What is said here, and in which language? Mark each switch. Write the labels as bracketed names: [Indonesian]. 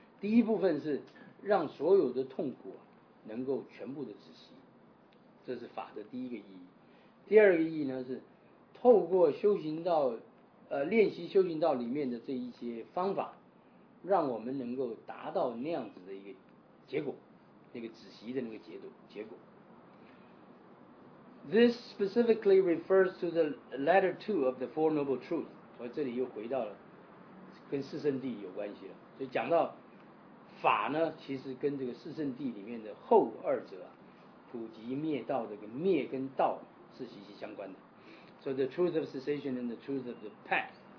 [Chinese] 第一部分是让所有的痛苦能够全部的止息，这是法的第一个意义。第二个意义呢是透过修行道练习修行道里面的这一些方法，让我们能够达到那样子的一个结果，那个止息的那个结果。 [English] This specifically refers to the latter two of the Four Noble Truths. [Chinese] 所以这里又回到了跟四圣谛有关系了。所以讲到法呢，其实跟这个四圣谛里面的后二者啊，普及灭道的跟灭跟道是息息相关的。 [English] So the truth of cessation and the truth of the path.